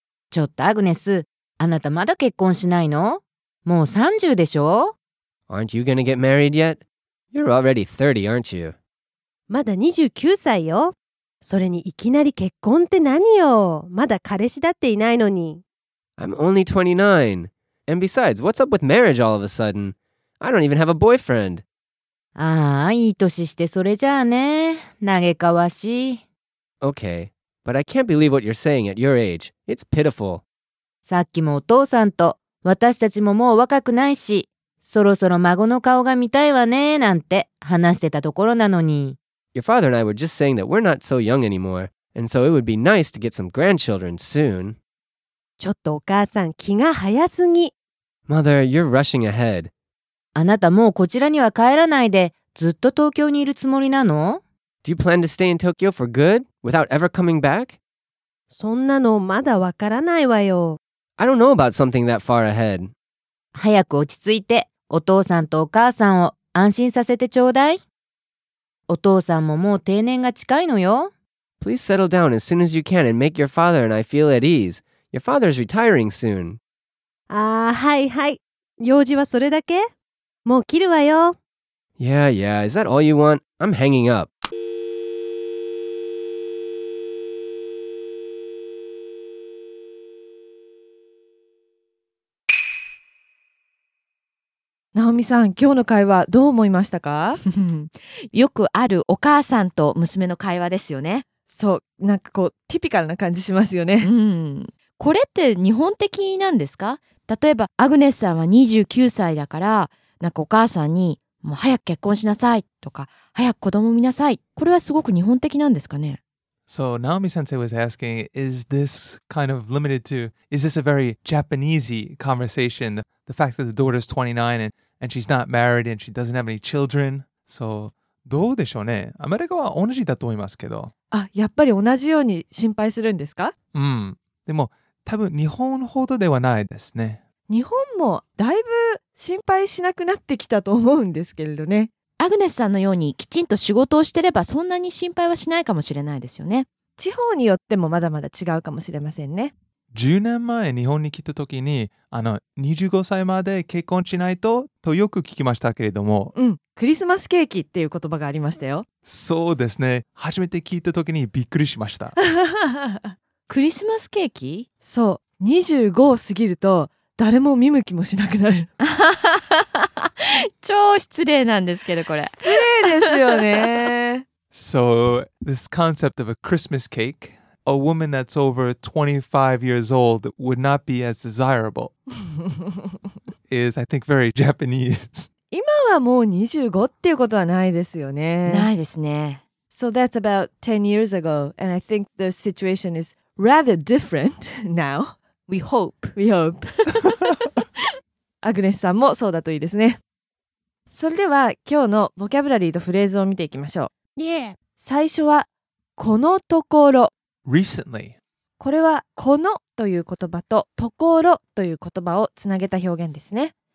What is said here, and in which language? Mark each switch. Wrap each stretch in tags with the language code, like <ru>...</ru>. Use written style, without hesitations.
<ja>ちょっとアグネス、あなたまだ結婚しないの？もう30でしょ？</ja> <en>Aren't you gonna get married yet? You're already 30, aren't you?</en> <ja>まだ29歳よ。それにいきなり結婚って何よ。まだ彼氏だっていないのに。</ja> <en>I'm only 29. And besides, what's up with marriage all of a sudden? I don't even have a boyfriend.</en> <ja>ああ、いい年してそれじゃあね。嘆かわしい。 Okay.</ja> <en>But I can't believe what you're saying at your age. It's pitiful.</en> <ja>さっきもお父さんと、私たちももう若くないし、そろそろ孫の顔が見たいわね、なんて話してたところなのに。</ja> <en>Your father and I were just saying that we're not so young anymore, and so it would be nice to get some grandchildren soon.</en> <ja>ちょっとお母さん、気が早すぎ。</ja> <en>Mother, you're rushing ahead.</en> <ja>あなたもうこちらには帰らないで、ずっと東京にいるつもりなの？</ja> <en>Do you plan to stay in Tokyo for good, without ever coming back?</en> <ja>そんなのまだわからないわよ。</ja> <en>I don't know about something that far ahead.</en> <ja>早く落ち着いて、お父さんとお母さんを安心させてちょうだい。お父さんももう定年が近いのよ。</ja> <en>Please settle down as soon as you can and make your father and I feel at ease. Your father's retiring soon.</en> <ja>ああ、はいはい。用事はそれだけ？もう切るわよ。</ja> <en>Yeah, yeah. Is that all you want? I'm hanging up.</en> <ja>ナオミさん、今日の会話どう思いましたか？よくあるお母さんと娘の会話ですよね。そう、なんかこうティピカルな感じしますよね。うん、これって日本的なんですか？例えばアグネスさんは29歳だから、なんかお母さんにもう早く結婚しなさいとか、早く子供見なさい、これはすごく日本的なんですかね？</ja> <en>So Naomi sensei was asking, is this kind of limited to, is this a very Japanese conversation? The fact that the daughter is 29 and she's not married and she doesn't have any children. So,</en> <ja>どうでしょうね。アメリカは同じだと思いますけど。あ、やっぱり同じように心配するんですか？うん。でも、多分日本ほどではないですね。日本もだいぶ心配しなくなってきたと思うんですけれどね。アグネスさんのようにきちんと仕事をしてればそんなに心配はしないかもしれないですよね。地方によってもまだまだ違うかもしれませんね。 10年前日本に来た時に、あの25歳まで結婚しないととよく聞きましたけれども、うん、クリスマスケーキっていう言葉がありましたよ。そうですね、初めて聞いた時にびっくりしました。クリスマスケーキ、そう、25を過ぎると誰も見向きもしなくなる。超失礼なんですけど、これ。失礼ですよね。</ja> <en>So this concept of a Christmas cake、A woman that's over 25 years old would not be as desirable. is, I think, very Japanese.</en> <ja>今はもう25っていうことはないですよね。ないですね。</ja> <en>So that's about 10 years ago. And I think the situation is rather different now. We hope. We hope.</en> <ja>アグネスさんもそうだといいですね。それでは今日のボキャブラリーとフレーズを見ていきましょう。 Yeah. 最初はこのところ。</ja> <en>Recently.</en> <ja>これはこのという言葉とところという言葉をつなげた表現ですね。</ja>